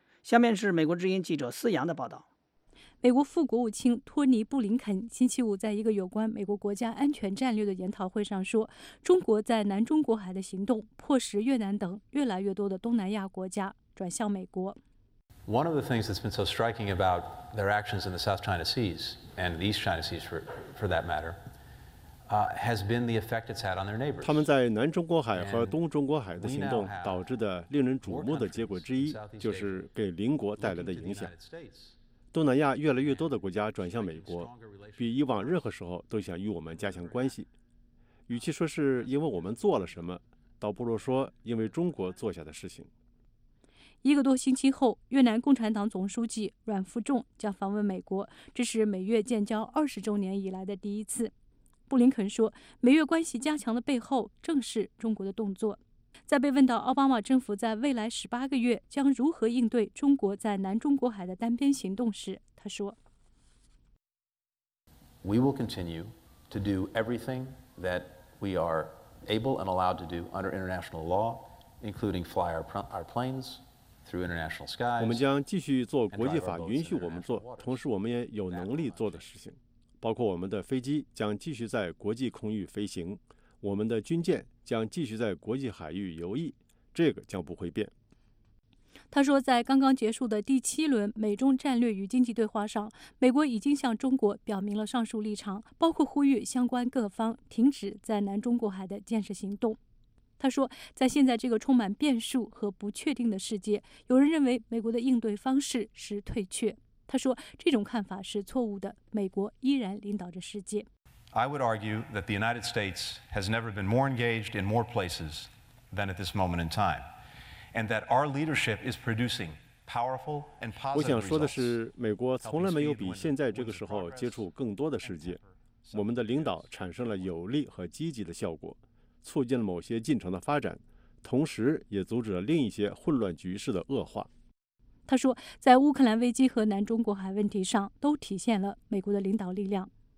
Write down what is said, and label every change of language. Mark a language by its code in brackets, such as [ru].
[zh] 下面是美国之音记者思阳的报道。美国副国务卿托尼·布林肯星期五在一个有关美国国家安全战略的研讨会上说，中国在南中国海的行动迫使越南等越来越多的东南亚国家转向美国。 [en] One of the things that's been so striking about their actions in the South China Seas and the East China Seas for that matter, has been the effect it's had on their neighbors. [zh] 他们在南中国海和东中国海的行动导致的令人瞩目的结果之一，就是给邻国带来的影响。东南亚越来越多的国家转向美国，比以往任何时候都想与我们加强关系。与其说是因为我们做了什么，倒不如说因为中国做下的事情。一个多星期后，越南共产党总书记阮富仲将访问美国，这是美越建交20周年以来的第一次。布林肯说，美越关系加强的背后正是中国的动作。在被问到奥巴马政府在未来18个月将如何应对中国在南中国海的单边行动时，他说， [en] We will continue to do everything that we are able and allowed to do under international law, including fly our planes through international skies. [zh] 我们将继续做国际法允许我们做，同时我们也有能力做的事情，包括我们的飞机将继续在国际空域飞行，我们的军舰将继续在国际海域游弋，这个将不会变。他说，在刚刚结束的第7轮美中战略与经济对话上，美国已经向中国表明了上述立场，包括呼吁相关各方停止在南中国海的建设行动。他说，在现在这个充满变数和不确定的世界，有人认为美国的应对方式是退却。他说，这种看法是错误的，美国依然领导着世界。 [en] I would argue that the United States has never been more engaged in more places than at this moment in time, and that our leadership is producing powerful and positive results. [zh] 我想说的是，美国从来没有比现在这个时候接触更多的世界。我们的领导产生了有力和积极的效果，促进了某些进程的发展，同时也阻止了另一些混乱局势的恶化。他说，在乌克兰危机和南中国海问题上都体现了美国的领导力量。